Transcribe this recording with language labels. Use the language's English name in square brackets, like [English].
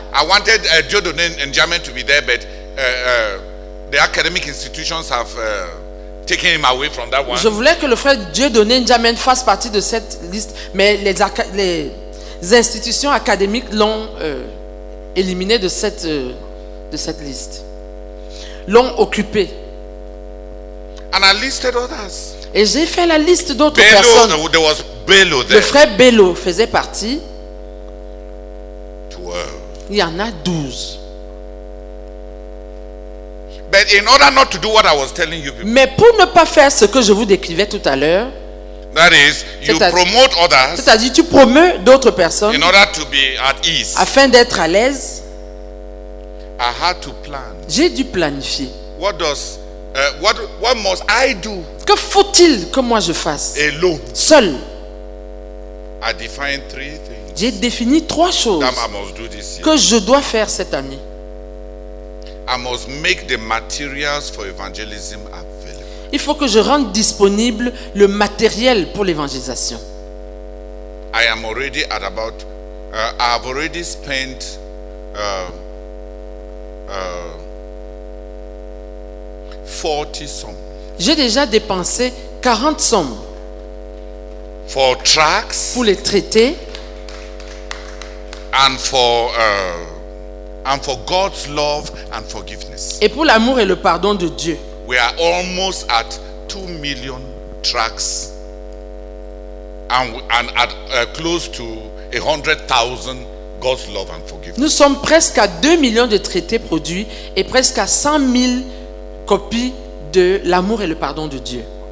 [English] I wanted Dieudonné Ndiamé to be there, but the academic institutions have taken him away from that one. [French] Je voulais que le frère Dieudonné Ndjamène fasse partie de cette liste, mais les institutions académiques l'ont éliminé de cette liste. L'ont occupé. [English] And I listed others. [French] Et j'ai fait la liste d'autres personnes. [English] There was Bello there. [French] Le frère Bello faisait partie. [English] 12. [French] Il y en a 12. [English] But in order not to do what I was telling you before. [French] Mais pour ne pas faire ce que je vous décrivais tout à l'heure. [English] That is, promote others. [French] C'est-à-dire tu promeus d'autres personnes. [English] In order to be at ease. [French] Afin d'être à l'aise. [English] I had to plan. [French] J'ai dû planifier. [English] What does what must I do? [French] Que faut-il que moi je fasse? [English] Alone. [French] Seul. [English] I define three things. [French] J'ai défini trois choses. [English] That I must do this year. [French] Que je dois faire cette année. [English] I must make the materials for evangelism available. [French] Il faut que je rende disponible le matériel pour l'évangélisation. [English] I am already at about I have already spent $40. [French] J'ai déjà dépensé 40 sommes. [English] For tracts. [French] Pour les traités. [English] And for and for God's love and forgiveness. [French] Et pour l'amour et le pardon de Dieu. [English] We are almost at 2 million tracts and at close to 100,000 God's love and forgiveness. [French] Nous sommes presque à 2 millions de traités produits et presque à 100 000 copies de l'amour et le pardon de Dieu.